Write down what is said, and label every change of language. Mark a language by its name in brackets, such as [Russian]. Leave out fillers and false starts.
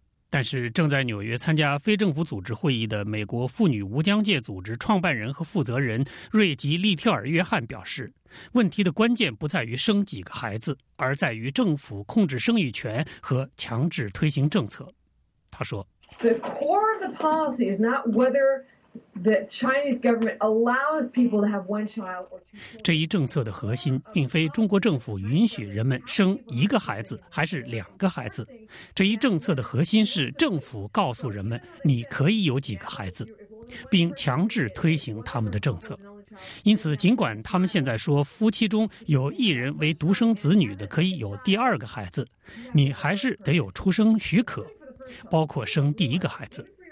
[Chinese] 但是正在纽约参加非政府组织会议的美国妇女无疆界组织创办人和负责人瑞吉·利特尔·约翰表示，问题的关键不在于生几个孩子，而在于政府控制生育权和强制推行政策。他说 [English] The core of the policy is not whether the Chinese government allows people to have one child or two children. [Chinese] 这一政策的核心并非中国政府允许人们生一个孩子还是两个孩子。这一政策的核心是政府告诉人们你可以有几个孩子，并强制推行他们的政策。因此，尽管他们现在说夫妻中有一人为独生子女的可以有第二个孩子，你还是得有出生许可，包括生第一个孩子。